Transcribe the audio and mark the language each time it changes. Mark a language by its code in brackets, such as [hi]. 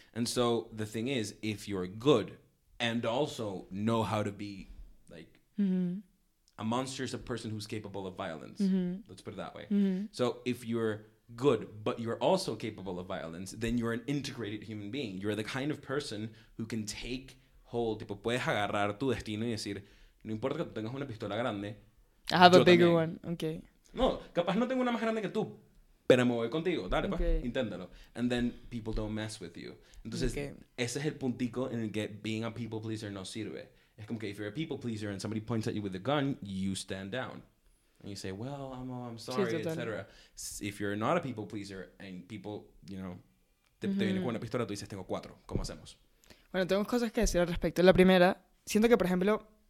[en] And so the thing is, if you're good and also know how to be, like, mm-hmm. a monster is a person who's capable of violence. Mm-hmm. Let's put it that way. Mm-hmm. So if you're good, but you're also capable of violence, then you're an integrated human being. You're the kind of person who can take hold. [es] Tipo, puedes agarrar tu destino y decir, no importa que tú tengas una pistola grande. [en] I have a bigger one. Okay. [es] No, capaz no tengo una más grande que tú, pero me voy contigo. Dale, okay. Pues, inténtalo. [en] And then people don't mess with you. [es] Entonces, okay. Ese es el puntico en el que [en] being a people pleaser [es] no sirve. Es como que [en] if you're a people pleaser and somebody points at you with a gun, you stand down. And you say, well, I'm sorry, sí, etc. If you're not a people pleaser and people, you know, mm-hmm. [es] te viene con una pistola, tú dices, tengo cuatro. ¿Cómo hacemos? Bueno, tengo cosas que decir al respecto. La primera, siento que, por ejemplo,